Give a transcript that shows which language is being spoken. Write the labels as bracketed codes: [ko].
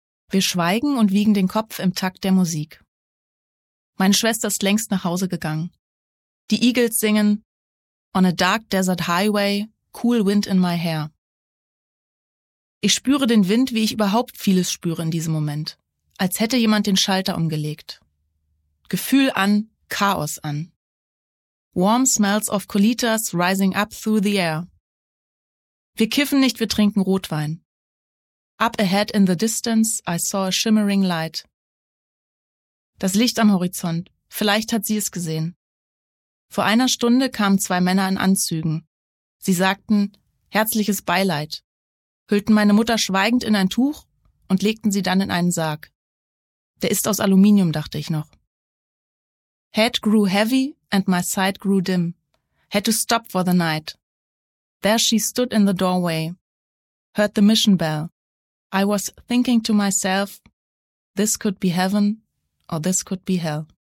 [de] Wir schweigen und wiegen den Kopf im Takt der Musik. Meine Schwester ist längst nach Hause gegangen. Die Eagles singen » [en] On a dark desert highway, cool wind in my hair«. [de] Ich spüre den Wind, wie ich überhaupt vieles spüre in diesem Moment. Als hätte jemand den Schalter umgelegt. Gefühl an, Chaos an. [en] Warm smells of colitas rising up through the air. [de] Wir kiffen nicht, wir trinken Rotwein. [en] Up ahead in the distance, I saw a shimmering light. [de] Das Licht am Horizont, vielleicht hat sie es gesehen. Vor einer Stunde kamen 2 Männer in Anzügen. Sie sagten, herzliches Beileid, hüllten meine Mutter schweigend in ein Tuch und legten sie dann in einen Sarg. Der ist aus Aluminium, dachte ich noch. [en] Head grew heavy and my sight grew dim. Had to stop for the night. There she stood in the doorway. Heard the mission bell. I was thinking to myself, this could be heaven or this could be hell.